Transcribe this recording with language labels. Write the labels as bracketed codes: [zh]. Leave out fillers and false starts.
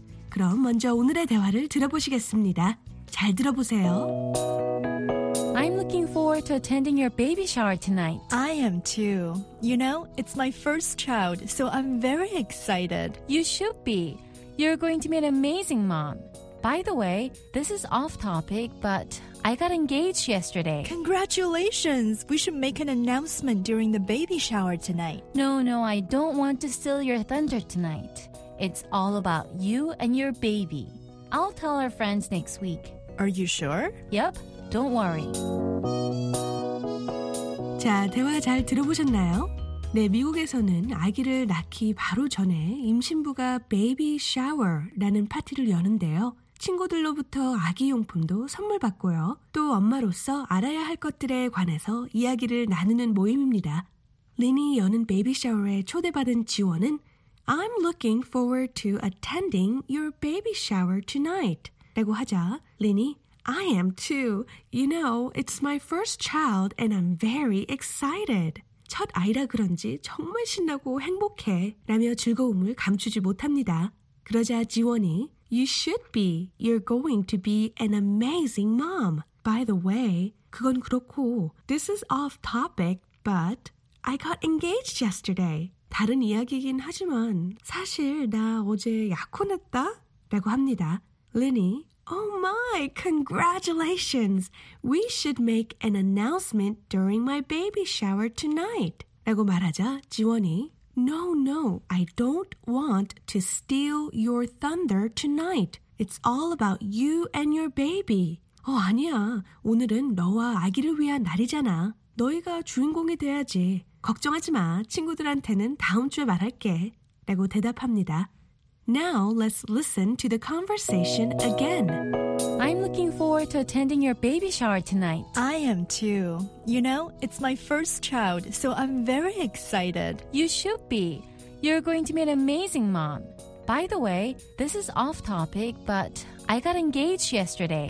[ko] 그럼 먼저 오늘의 대화를 들어보시겠습니다. 잘 들어보세요. [en] I'm looking forward to attending your baby shower tonight. I am too. You know, it's my first child, so I'm very excited. You should be. You're going to be an amazing mom. By the way, this is off topic, but I got engaged yesterday. Congratulations! We should make an announcement during the baby shower tonight. No, no, I don't want to steal your thunder tonight. It's all about you and your baby. I'll tell our friends next week. Are you sure? Yep, don't worry. [ko] 자, 대화 잘 들어보셨나요? 네, 미국에서는 아기를 낳기 바로 전에 임신부가 baby shower라는 파티를 여는데요. 친구들로부터 아기 용품도 선물 받고요. 또 엄마로서 알아야 할 것들에 관해서 이야기를 나누는 모임입니다. 린이 여는 베이비 샤워에 초대받은 지원은 [en] I'm looking forward to attending your baby shower tonight. [ko] 라고 하자 린이 [en] I am too. You know, it's my first child and I'm very excited. [ko] 첫 아이라 그런지 정말 신나고 행복해 라며 즐거움을 감추지 못합니다. 그러자 지원이 [en] You should be. You're going to be an amazing mom. By the way, [ko] 그건 그렇고, [en] this is off topic, but I got engaged yesterday. [ko] 다른 이야기이긴 하지만, 사실 나 어제 약혼했다? 라고 합니다. [en] Lenny, oh my, congratulations. We should make an announcement during my baby shower tonight. [ko] 라고 말하자 지원이, [en] No, no, I don't want to steal your thunder tonight. It's all about you and your baby. [ko] 어, 아니야. 오늘은 너와 아기를 위한 날이잖아. 너희가 주인공이 돼야지. 걱정하지 마. 친구들한테는 다음 주에 말할게. 라고 대답합니다. [en] Now let's listen to the conversation again. I'm looking forward to attending your baby shower tonight. I am too. You know, it's my first child, so I'm very excited. You should be. You're going to be an amazing mom. By the way, this is off topic, but I got engaged yesterday.